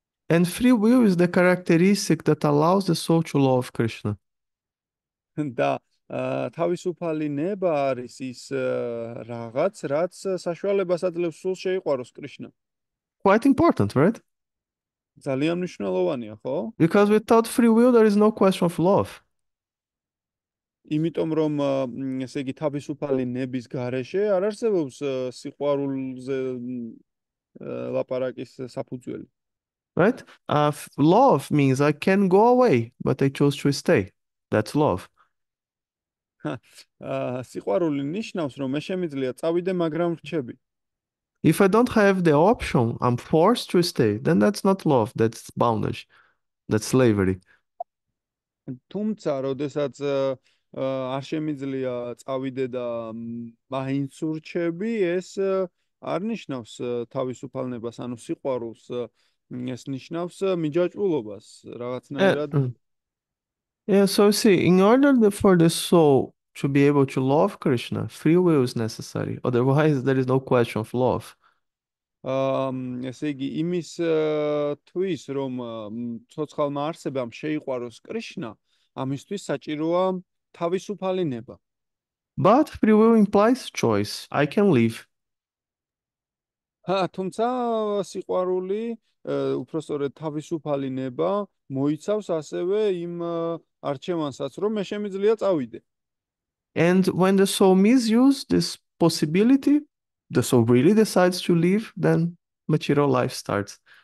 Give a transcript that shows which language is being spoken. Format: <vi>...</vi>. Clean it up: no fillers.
<en>And free will is the characteristic that allows the soul to love Krishna.</en> <ka>და თავისუფალი ნება არის ის რაღაც, რაც საშუალებას აძლევს სულს შეიყვაროს კრიშნა.</ka> <en>Quite important, right?</en> <ka>ძალიან მნიშვნელოვანია, ხო?</ka> <en>Because without free will, there is no question of love.</en> <ka>იმიტომ რომ ესე იგი თავისუფალი ნების გარეშე არ არსებობს სიყვარულზე ლაპარაკის საფუძველი.</ka> <en>Right? Love means I can go away, but I chose to stay. That's love.</en> <ka>სიყვარული ნიშნავს, რომ მე შემიძლია წავიდე, მაგრამ რჩები.</ka> <en>If I don't have the option, I'm forced to stay, then that's not love, that's bondage, that's slavery.</en> <ka>თუმცა, როდესაც არ შემიძლია წავიდე და მაინც ურჩები, ეს არ ნიშნავს თავისუფალნებას, ანუ სიყვარულს, ეს ნიშნავს მიჯაჭვულობას, რაღაცნაირად.</ka> <en>Yeah, so see, in order for the soul to be able to love Krishna, free will is necessary. Otherwise, there is no question of love.</en> <ka>ესე იგი, იმის თვის, რომ ცოცხალმა არსებამ შეიყვაროს კრიშნა, ამისთვის საჭიროა თავისუფალი ნება.</ka> <en>But free will implies choice. I can leave.</en> <ka>ჰა, თუმცა სიყვარული, უფრო სწორედ თავისუფალი ნება მოიცავს ასევე იმ არჩევანსაც, რომ მე შემიძლია წავიდე.</ka> <en>And when the soul misuses this possibility, the soul really decides to leave, then material life starts.</en>